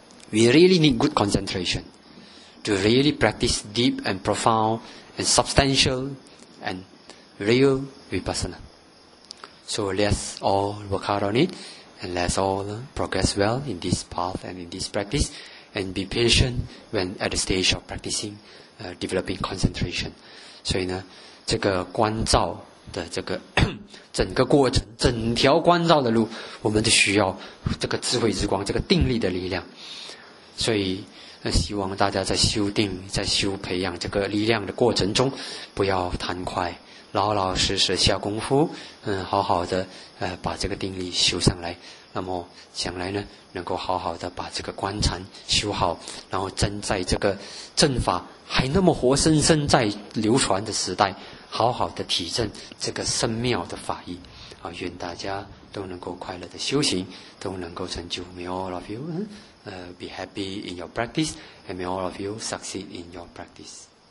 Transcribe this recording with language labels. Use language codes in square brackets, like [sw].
[en] We really need good concentration to really practice deep and profound and substantial and real vipassana. So let's all work hard on it, and let's all progress well in this path and in this practice, and be patient when at the stage of practicing, developing concentration. [zh] 所以呢，这个观照的这个整个过程，整条观照的路，我们都需要这个智慧之光，这个定力的力量。所以希望大家在修定，在修培养这个力量的过程中，不要贪快，老老实实下功夫，好好的把这个定力修上来，那么将来呢能够好好的把这个观禅修好，然后真在这个正法还那么活生生在流传的时代，好好的体证这个深妙的法义。好，愿大家都能够快乐的修行，都能够成就。 [en] May all of you be happy in your practice, and may all of you succeed in your practice.